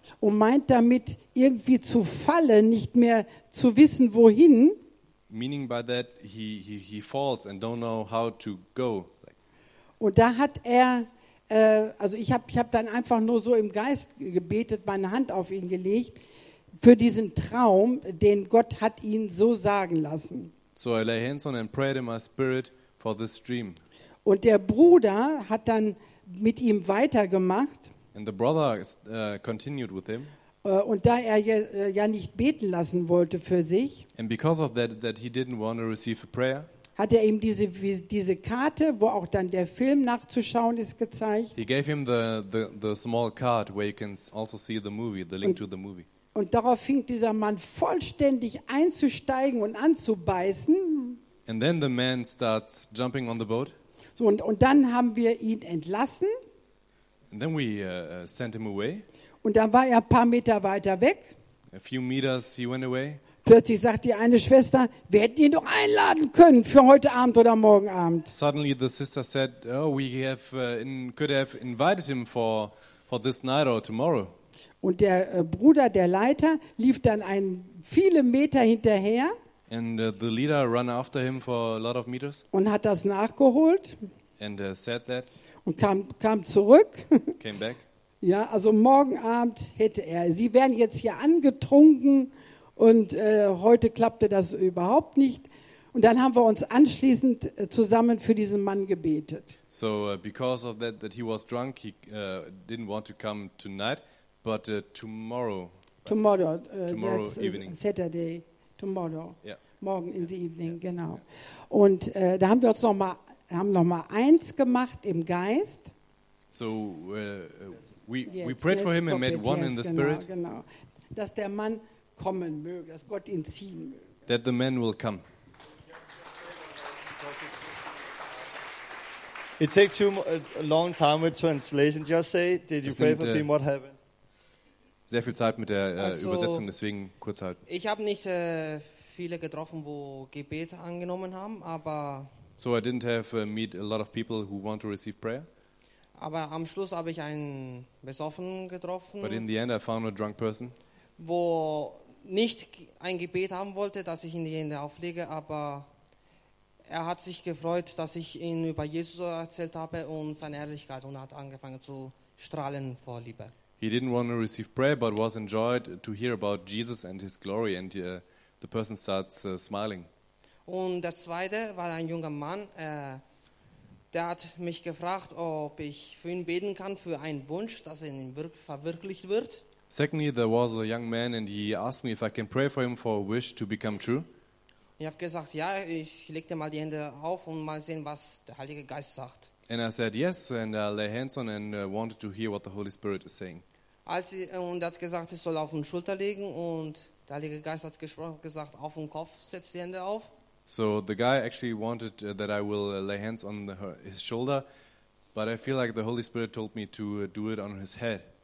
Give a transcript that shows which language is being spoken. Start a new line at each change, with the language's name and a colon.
German: Und meint damit irgendwie zu fallen, nicht mehr zu wissen wohin.
English: Meaning by that he falls and don't know how to go.
German: Und da hat er, ich habe dann einfach nur so im Geist gebetet, meine Hand auf ihn gelegt für diesen Traum, den Gott hat ihn so sagen lassen.
English: So I lay hands on and prayed in my spirit for this dream.
German: Und der Bruder hat dann mit ihm weitergemacht.
English: And the brother continued with him.
German: Und da er ja nicht beten lassen wollte für sich,
English: and because of that he didn't want to receive a prayer,
German: hat er ihm diese Karte, wo auch dann der Film nachzuschauen ist, gezeigt.
English: He gave him the small card where you can also see the movie, the link to the movie.
German: Und darauf fing dieser Mann vollständig einzusteigen und anzubeißen.
English: And then the man starts jumping on the boat.
German: So, und dann haben wir ihn entlassen.
English: And then we sent him away.
German: Und dann war er ein paar Meter weiter weg.
English: A few meters he went away.
German: Plötzlich sagt die eine Schwester, wir hätten ihn doch einladen können für heute Abend oder morgen Abend.
English: Suddenly the sister said, oh, we could have invited him for this night or tomorrow.
German: Und der Bruder, der Leiter, lief dann viele Meter hinterher.
English: And the leader ran after him for a lot of meters.
German: Und hat das nachgeholt.
English: And said that.
German: Und kam zurück.
English: Came back.
German: Ja, also morgen Abend hätte er. Sie wären jetzt hier angetrunken und heute klappte das überhaupt nicht. Und dann haben wir uns anschließend zusammen für diesen Mann gebetet.
English: So because of that he was drunk, he didn't want to come tonight, but tomorrow. Tomorrow. Tomorrow evening. Saturday. Tomorrow. Yeah.
German: Morgen in
English: yeah. the evening, yeah. genau. Yeah.
German: Und da haben wir uns noch mal eins gemacht im Geist.
English: So we prayed for him and made one in the spirit.
German: Genau. Dass der Mann kommen möge, dass Gott ihn ziehen möge.
English: That the man will come. It takes too long time with translation. Just say, did you pray for him? What happened?
German: Sehr viel Zeit mit der Übersetzung, deswegen kurz halten. Ich habe nicht viele getroffen, wo Gebet angenommen haben, aber.
English: So I didn't have meet a lot of people who want to receive prayer.
German: Aber am Schluss habe ich einen Besoffenen getroffen.
English: But in the end I found a drunk person.
German: Wo nicht ein Gebet haben wollte, dass ich ihn in die Hände auflege, aber er hat sich gefreut, dass ich ihn über Jesus erzählt habe und seine Ehrlichkeit und hat angefangen zu strahlen vor Liebe.
English: He didn't want to receive prayer, but was enjoyed to hear about Jesus and his glory, and the person starts smiling.
German: Und der zweite war ein junger Mann, der hat mich gefragt, ob ich für ihn beten kann, für einen Wunsch, dass er verwirklicht wird.
English: Secondly, there was a young man, and he asked me if I can pray for him for a wish to become true.
German: Ich habe gesagt, ja, ich lege dir mal die Hände auf und mal sehen, was der Heilige Geist sagt.
English: And I said yes, and I lay hands on and wanted to hear what the Holy Spirit is saying.
German: Als und hat gesagt, ich soll auf den Schulter legen, und der Heilige Geist hat gesprochen, gesagt, auf den Kopf, setz die Hände auf.
English: So the guy actually wanted that I will lay hands on his shoulder, but I feel like the Holy Spirit told me to do it on his head.